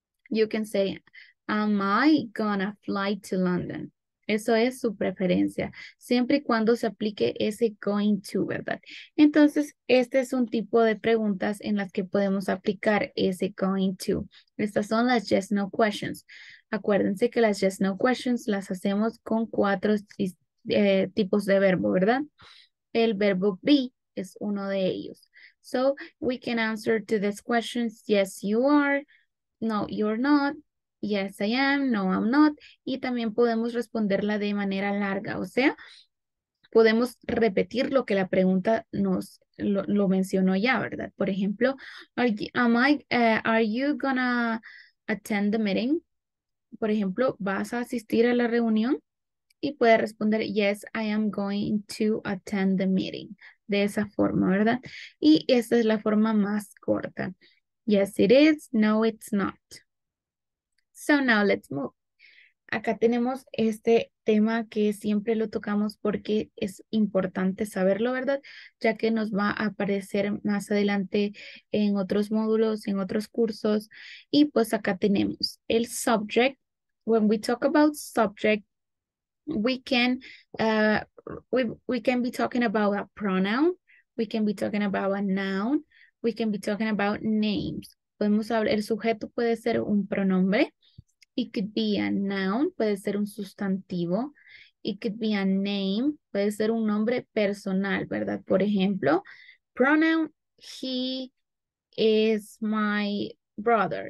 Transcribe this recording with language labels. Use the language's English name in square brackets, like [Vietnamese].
[English] You can say, am I gonna fly to London? [Spanish] Eso es su preferencia, siempre y cuando se aplique ese going to, ¿verdad? Entonces, este es un tipo de preguntas en las que podemos aplicar ese going to. Estas son las yes, no questions. Acuérdense que las yes, no questions las hacemos con cuatro tipos de verbo, ¿verdad? El verbo be es uno de ellos. [English] So, we can answer to these questions. Yes, you are. No, you're not. Yes, I am. No, I'm not. [Spanish] Y también podemos responderla de manera larga. O sea, podemos repetir lo que la pregunta nos lo mencionó ya, ¿verdad? Por ejemplo, [English] are you gonna attend the meeting? [Spanish] Por ejemplo, ¿vas a asistir a la reunión? Y puede responder, [English] yes, I am going to attend the meeting. [Spanish] De esa forma, ¿verdad? Y esa es la forma más corta. [English] Yes, it is. No, it's not. So now let's move. [Spanish] Acá tenemos este tema que siempre lo tocamos porque es importante saberlo, ¿verdad? Ya que nos va a aparecer más adelante en otros módulos, en otros cursos. Y pues acá tenemos el subject. [English] When we talk about subject, we can be talking about a pronoun, we can be talking about a noun, we can be talking about names. [Spanish] Podemos hablar, el sujeto puede ser un pronombre. [English] It could be a noun, [Spanish] puede ser un sustantivo. [English] It could be a name, [Spanish] puede ser un nombre personal, ¿verdad? Por ejemplo, [English] pronoun, he is my brother.